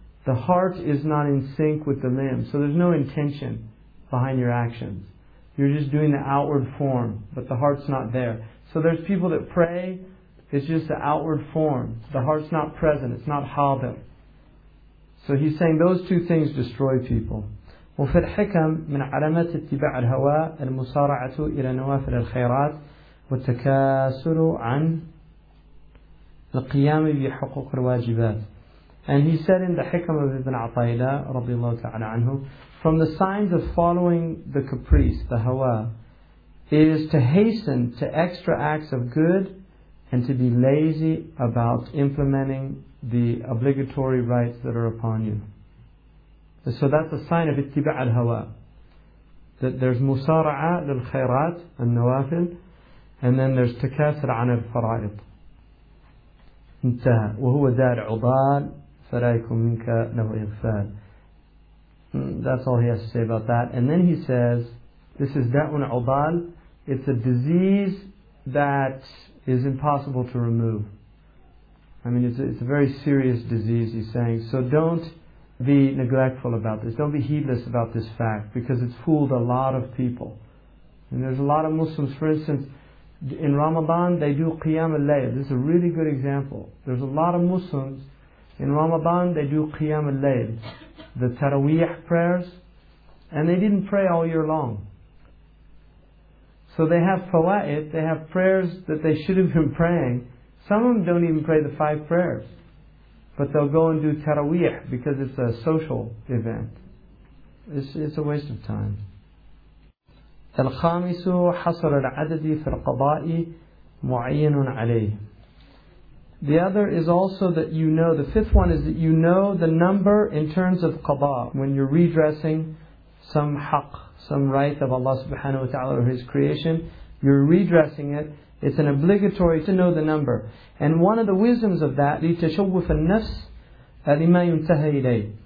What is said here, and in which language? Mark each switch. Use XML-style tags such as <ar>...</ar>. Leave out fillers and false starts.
<en>The heart is not in sync with the limbs. So there's no intention behind your actions. You're just doing the outward form, but the heart's not there. So there's people that pray, it's just the outward form. The heart's not present, it's not hadir. So he's saying those two things destroy people.</en> <ar>وفي الحكم من علامة اتباع الهوى المسارعة إلى نوافل الخيرات والتكاسل عن القيام بحقوق الواجبات.</ar> <en>And he said in the Hikam of Ibn Atayla</en> <ar>رضي الله تعالى عنه,</ar> <en>from the signs of following the caprice, the hawa, is to hasten to extra acts of good and to be lazy about implementing the obligatory rights that are upon you. So that's a sign of</en> <ar>اتباع الهوى,</ar> <en>that there's</en> <ar>مسارعة للخيرات النوافل.</ar> <en>And then there's</en> <ar>تكاسر عن الفرائض. انتهى. وهو دار عضال فلا يكون منك له إغفال.</ar> <en>That's all he has to say about that. And then he says, this is da'un عضال. It's a disease that is impossible to remove. I mean, it's a very serious disease, he's saying. So don't be neglectful about this. Don't be heedless about this fact, because it's fooled a lot of people. And there's a lot of Muslims, for instance, in Ramadan, they do Qiyam al-Layl. This is a really good example. There's a lot of Muslims. In Ramadan, they do Qiyam al-Layl, the Taraweeh prayers. And they didn't pray all year long. So they have fawa'id, they have prayers that they should have been praying. Some of them don't even pray the five prayers. But they'll go and do Taraweeh because it's a social event. It's a waste of time.</en> <ar>الخامس حصر العدد في القضاء معين عليه.</ar> <en>The other is also that you know, the fifth one is that you know the number in terms of qada, when you're redressing some haqq, some right of Allah subhanahu wa ta'ala or His creation, you're redressing it, it's an obligatory to know the number. And one of the wisdoms of that,</en> <ar>لِتَشَوُّفَ النَّفْسَ لِمَا يُنْتَهَى إِلَيْهِ.</ar>